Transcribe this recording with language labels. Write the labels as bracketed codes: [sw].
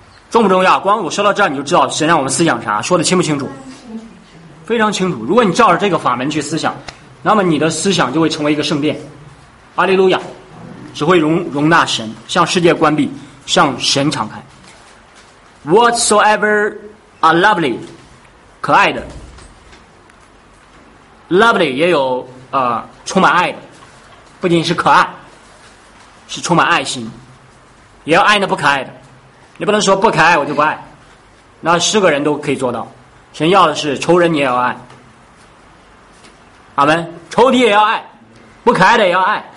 [zh] 重不重要？光我说到这儿你就知道神让我们思想啥，说的清不清楚？非常清楚。如果你照着这个法门去思想，那么你的思想就会成为一个圣殿。哈利路亚，只会容纳神，向世界关闭，向神敞开。 [en] Whatsoever are lovely， [zh] 可爱的。 Lovely 也有充满爱的，不仅是可爱，是充满爱心，也要爱那不可爱的。你不能说不可爱我就不爱，那是个人都可以做到。神要的是仇人你也要爱，阿们，仇敌也要爱，不可爱的也要爱。